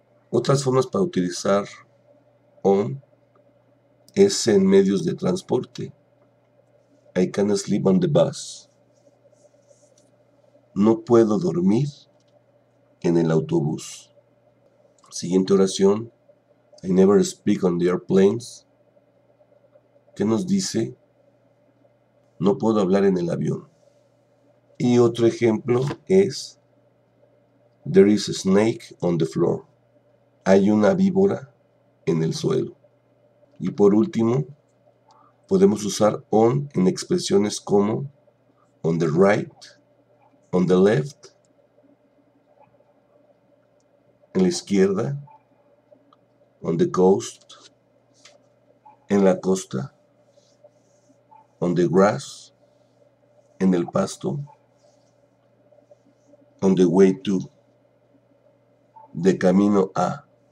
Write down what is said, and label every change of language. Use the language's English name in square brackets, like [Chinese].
[Spanish] Otras formas para utilizar on es en medios de transporte. [English] I can't sleep on the bus. [Spanish] No puedo dormir en el autobús. Siguiente oración. [English] I never speak on the airplanes. [Spanish] ¿Qué nos dice? No puedo hablar en el avión. Y otro ejemplo es, [English] there is a snake on the floor. [Spanish] Hay una víbora en el suelo. Y por último, podemos usar on en expresiones como [English] on the right, on the left, [Spanish] en la izquierda, [English] on the coast, [Spanish] en la costa, [English] on the grass, [Spanish] en el pasto, [English] on the way to, [Spanish] de camino a.